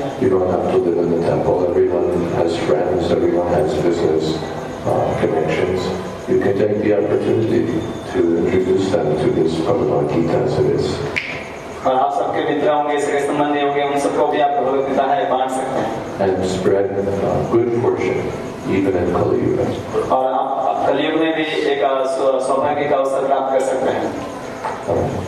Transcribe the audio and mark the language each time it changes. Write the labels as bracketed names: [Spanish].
[English] You don't have to live in the temple. Everyone has friends, everyone has business connections. You can take the opportunity to introduce them to this Bhagavad Gita as it is. [Hindi] और आप सबके मित्र होंगे, सगे संबंधी होंगे, उन सबको भी आप भगवत गीता है बांट सकते हैं। [English] And spread good fortune even in Kali Yuga. [Hindi] और आप Kali Yuga में भी एक सौभाग्य का अवसर प्राप्त कर सकते हैं।